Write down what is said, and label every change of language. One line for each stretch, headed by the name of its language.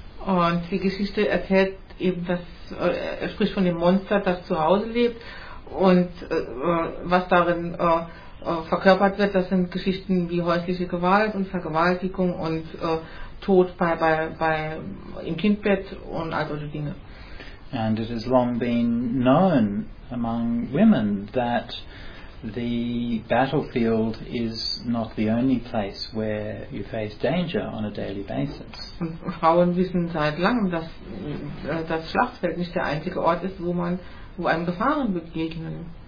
German: Und die Geschichte erzählt eben, dass er spricht von dem Monster, das zu Hause lebt, und was darin verkörpert wird, das sind Geschichten wie häusliche Gewalt und Vergewaltigung und Tod bei im Kindbett und all solche Dinge.
English: And it has long been known among women that the battlefield is not the only place where you face danger on a daily basis.
German: Und Frauen wissen seit langem, dass das Schlachtfeld nicht der einzige Ort ist, wo einem Gefahren begegnen.